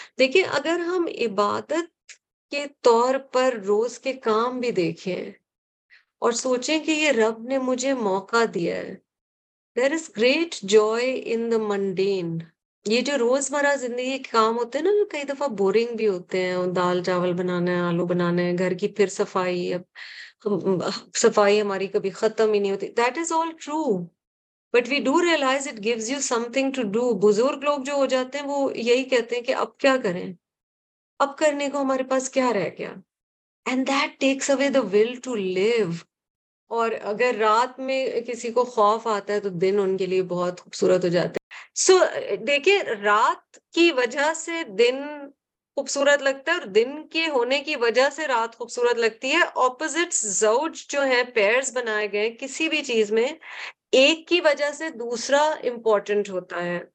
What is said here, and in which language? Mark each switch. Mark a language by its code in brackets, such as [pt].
[hi] देखिए, अगर हम इबादत के तौर पर रोज के काम भी देखें और सोचें कि ये रब ने मुझे मौका दिया है, [en] There is great joy in the mundane. [hi] ये जो रोजमर्रा जिंदगी के काम होते हैं ना, कई दफा बोरिंग भी होते हैं, दाल चावल बनाना है, आलू बनाना है, घर की फिर सफाई, अब सफाई हमारी कभी खत्म ही नहीं होती। [en] That is all true. But we do realize it gives you something to do. [hi] बुजुर्ग लोग जो हो जाते हैं वो यही कहते हैं कि अब क्या करें, अब करने को हमारे पास क्या रह गया। [en] And that takes away the will to live. [hi] और अगर रात में किसी को खौफ आता है तो दिन उनके लिए बहुत खूबसूरत हो जाते हैं। सो देखिए, रात की वजह से दिन खूबसूरत लगता है और दिन के होने की वजह से रात खूबसूरत लगती है। ऑपोजिट्स ज़ौज जो है, पेयर्स बनाए गए किसी भी चीज में, एक की वजह से दूसरा इम्पोर्टेंट होता है।